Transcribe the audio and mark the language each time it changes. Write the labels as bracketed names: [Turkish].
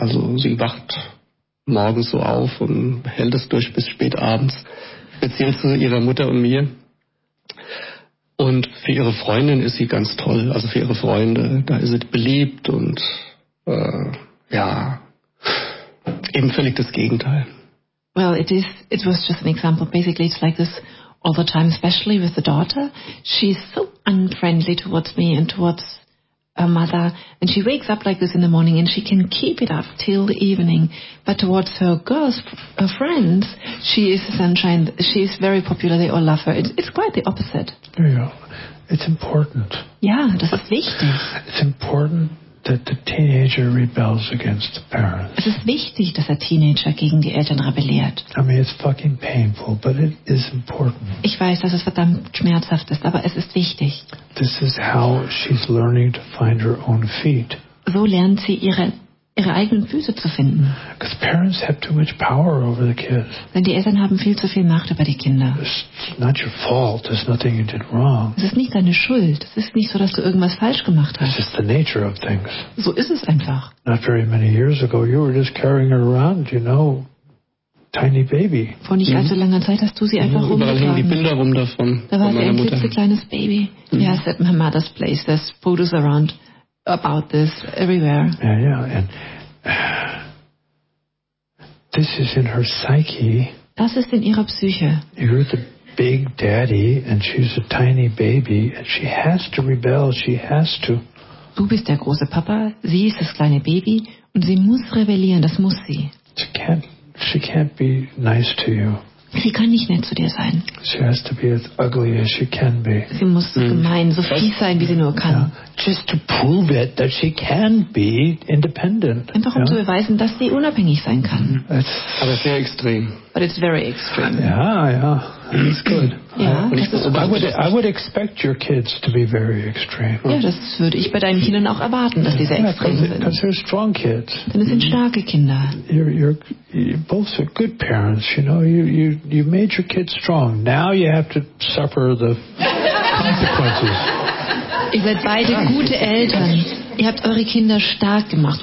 [German] Also sie wacht morgens so auf und hält es durch bis spät abends. Speziell zu ihrer Mutter und mir. Und für ihre Freundin ist sie ganz toll, also für ihre Freunde, da ist sie beliebt und ja, eben völlig das Gegenteil. [English] Well, it was just an example. Basically, it's like this all the time, especially with the daughter. She's so unfriendly towards me and towards her mother, and she wakes up like this in the morning and she can keep it up till the evening. But towards her girls, her friends, she is a sunshine. She is very popular. They all love her. It's quite the opposite. Yeah, it's important. [German] Yeah, das ist wichtig. [English] It's important that the teenager rebels against the parents. [German] Es ist wichtig, dass der Teenager gegen die Eltern rebelliert. [English] I mean, it's fucking painful, but it is important. [German] Ich weiß, dass es verdammt schmerzhaft ist, aber es ist wichtig. [English] This is how she's learning to find her own feet. [German] So lernt sie ihre eigenen Füße zu finden. [English] Because parents have too much power over the kids. [German] Denn die Eltern haben viel zu viel Macht über die Kinder. [English] It's not your fault. There's nothing you did wrong. [German] Es ist nicht deine Schuld. Es ist nicht so, dass du irgendwas falsch gemacht hast. [English] It's just the nature of things. [German] So ist es einfach. [English] Not very many years ago, you were just carrying her around, you know, tiny baby. [German] Vor nicht allzu langer Zeit hast du sie einfach rumgetragen. Überall hängen die Bilder rum davon. Da war sie ein klitzekleines Baby. [English] Yeah, it's at my mother's place. There's photos around. About this everywhere. Yeah, and this is in her psyche. Das ist in ihrer Psyche. You're the big daddy, and she's a tiny baby, and she has to rebel. She has to. [German] Du bist der große Papa. Sie ist das kleine Baby, und sie muss rebellieren. Das muss sie. [English] She can't be nice to you. [German] Sie kann nicht nett zu dir sein. [English] She has to be as ugly as she can be. [German] Sie muss gemein, so fies sein, wie sie nur kann. [English] Yeah. Just to prove it, that she can be independent. [German] Einfach um zu beweisen, dass sie unabhängig sein kann. Aber sehr extrem. [English] but it's very extreme. That's good. I would expect your kids to be very extreme. [German] Ja, das würde ich bei deinen Kindern auch erwarten, dass sie sehr extrem sind. [English] Because they're strong kids. [German] Denn es sind starke Kinder. [English] You're both are good parents, you know. You made your kids strong. Now you have to suffer the consequences. [German] Ihr seid beide gute Eltern. Ihr habt eure Kinder stark gemacht.